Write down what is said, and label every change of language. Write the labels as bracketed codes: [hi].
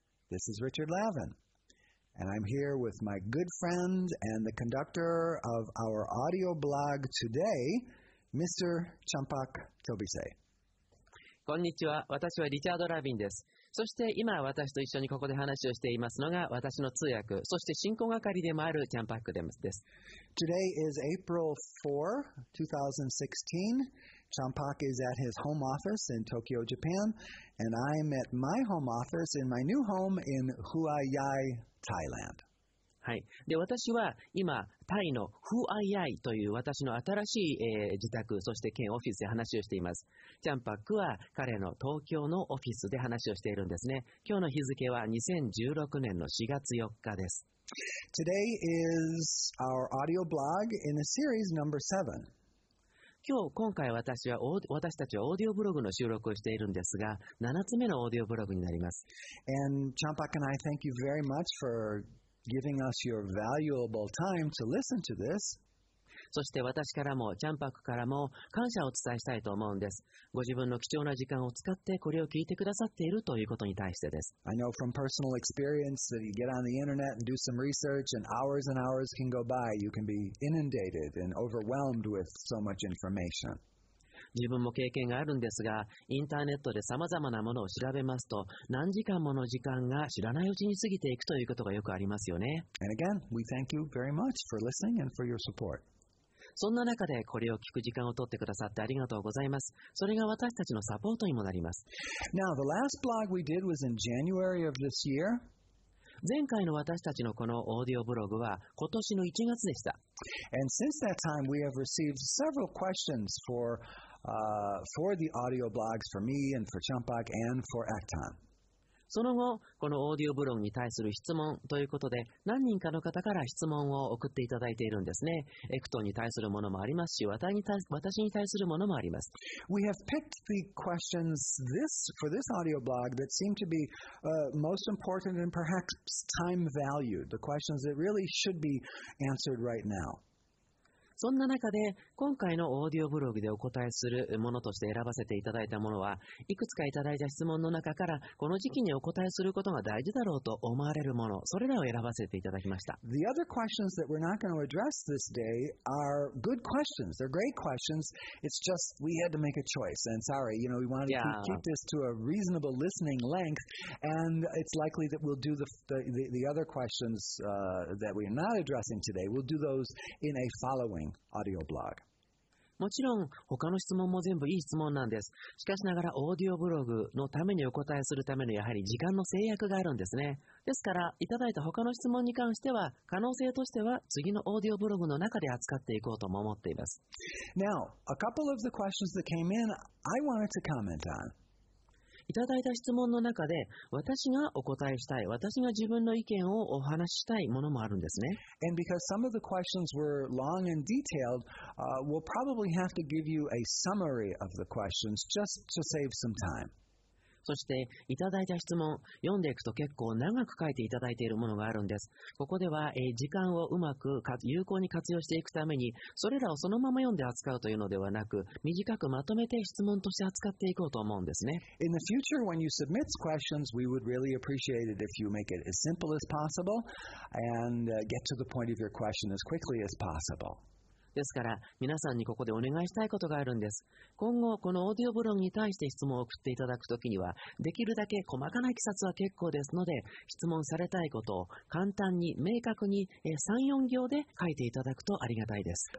[en] This is Richard Lavin, and I'm here with my good friend and the conductor of our audio blog today, Mr. Champak Tobise. [ja] Konnichiwa. 私はリチャード・ラビンです。そして今私と一緒にここで話をしていますのが私の通訳、そして進行係でもあるチャンパックです。 [en] Today is April 4, 2016. Champak is at his home office in Tokyo, Japan, and I'm at my home office in my new home in Hua Yai, Thailand. [ja] はい、で私は今タイのフアイアイという私の新しい、自宅そして県オフィスで話をしています。チャンパックは彼の東京のオフィスで話をしているんですね。今日の日付は2016年の4月4日です。 [en] Today is our audio blog in the series number 7. [ja] 今回私たちはオーディオブログの収録をしているんですが、7つ目のオーディオブログになります。 [en] And Champak and I thank you very much forGiving us your valuable time to listen to this. [ja] そして私からもチャンパクからも感謝を伝えしたいと思うんです。ご自分の貴重な時間を使ってこれを聞いてくださっているということに対してです。 [en] I know from personal experience that you get on the internet and do some research and hours can go by. You can be inundated and overwhelmed with so much information. [ja] 自分も経験があるんですが、インターネットでさまざまなものを調べますと、何時間もの時間が知らないうちに過ぎていくということがよくありますよね。 [en] And again, we thank you very much for listening and for your support. [ja] そんな中でこれを聞く時間を取ってくださってありがとうございます。それが私たちのサポートにもなります。 [en] Now, the last blog we did was in January of this year. [ja] 前回の私たちのこのオーディオブログは今年の1月でした。 [en] And since that time, we have received several questions for the audio blogs for me and for Champak and for Acton. [ja] その後、このオーディオブログに対する質問ということで、何人かの方から質問を送っていただいているんですね。エクトンに対するものもありますし、私に対するものもあります。 [en] We have picked the questions for this audio blog that seem to be most important and perhaps time valued, the questions that really should be answered right now. [ja] そんな中で今回のオーディオブログでお答えするものとして選ばせていただいたものは、いくつかいただいた質問の中からこの時期にお答えすることが大事だろうと思われるもの、それらを選ばせていただきました。 [en] The other questions that we're not going to address this day are good questions. They're great questions. It's just we had to make a choice. And sorry, you know, we wanted to keep this to a reasonable listening length. And it's likely that we'll do the other questions that we're not addressing today. We'll do those in a followingAudio blog. [ja] もちろん他の質問も全部いい質問なんです。しかしながらオーディオブログのためにお答えするためのやはり時間の制約があるんですね。ですからいただいた他の質問に関しては可能性としては次のオーディオブログの中で扱っていこうとも思っています。 [en] Now, a couple of the questions that came in, I wanted to comment on. [ja] いただいた質問の中で、私がお答えしたい、私が自分の意見をお話ししたいものもあるんですね。 [en] And because some of the questions were long and detailed, we'll probably have to give you a summary of the questions just to save some time. [ja] そして、いただいた質問、読んでいくと結構長く書いていただいているものがあるんです。ここでは、時間をうまく有効に活用していくために、それらをそのまま読んで扱うというのではなく、短くまとめて質問として扱っていこうと思うんですね。 [en] In the future, when you submit questions, we would really appreciate it if you make it as simple as possible and get to the point of your question as quickly as possible. [ja] ですから皆さんにここでお願いしたいことがあるんです。今後このオーディオブログに対して質問を送っていただくときにはできるだけ細かな記述は結構ですので、質問されたいことを簡単に明確に 3,4 行で書いていただくとありがたいです。